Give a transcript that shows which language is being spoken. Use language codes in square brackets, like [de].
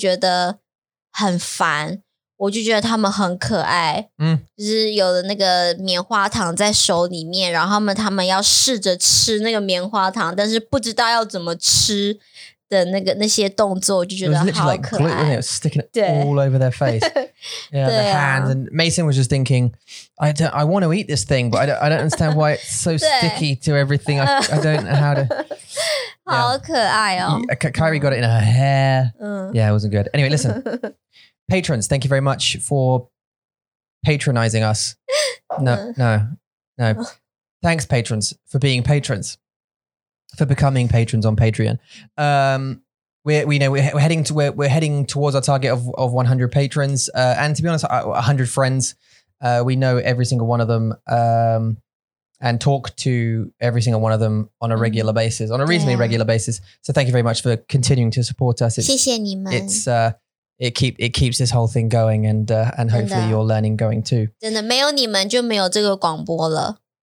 [zh] 对,然后昨天我完全不会觉得很烦, 我就觉得他们很可爱, 就是有了那个棉花糖在手里面, 然后他们要试着吃那个棉花糖, 但是不知道要怎么吃的那些动作, 就觉得好可爱。 [en] It was literally like glue, wasn't it? Sticking it all over their face. Yeah, their hands. And Mason was just thinking, I want to eat this thing, but I don't understand why it's so sticky to everything. I don't know how to... Yeah. [zh] 好可爱哦。 [en] Kyrie got it in her hair. Yeah, it wasn't good. Anyway, listen. Patrons, thank you very much for patronizing us. No. Thanks, patrons, for being patrons, for becoming patrons on Patreon. We're heading towards our target of 100 patrons, and to be honest, 100 friends. We know every single one of them, and talk to every single one of them on a regular basis, on a reasonably regular basis. So thank you very much for continuing to support us. It keeps this whole thing going, and hopefully you're learning going too. [zh] 真的，没有你们就没有这个广播了。